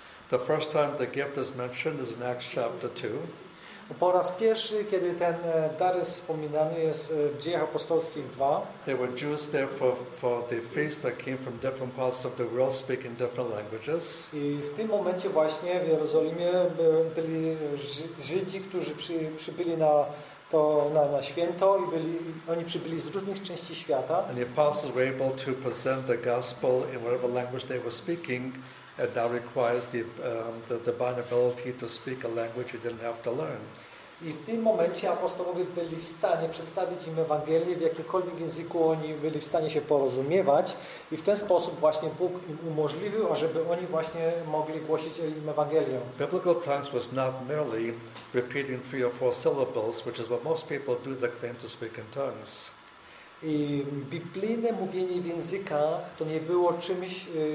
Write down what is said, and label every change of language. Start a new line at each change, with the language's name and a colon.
English: The first time the gift is mentioned is in Acts chapter 2.
Polish: Po raz pierwszy, kiedy ten dar jest wspominany, jest w Dziejach Apostolskich 2.
English: There were Jews there for the feast that came from different parts of the world speaking different languages.
Polish: I w tym momencie właśnie w Jerozolimie byli Żydzi, którzy przybyli na święto i oni przybyli z różnych części świata.
English: And the apostles were able to present the gospel in whatever language they were speaking. And that requires the divine ability to speak a language you didn't have to learn.
Polish: I w tym momencie apostołowie byli w stanie przedstawić im Ewangelię w jakikolwiek języku oni byli w stanie się porozumiewać i w ten sposób właśnie Bóg im umożliwił, ażeby oni właśnie mogli głosić im Ewangelię.
English: Biblical tongues was not merely repeating three or four syllables, which is what most people do that claim to speak in tongues.
Polish: I biblijne mówienie w językach to nie było czymś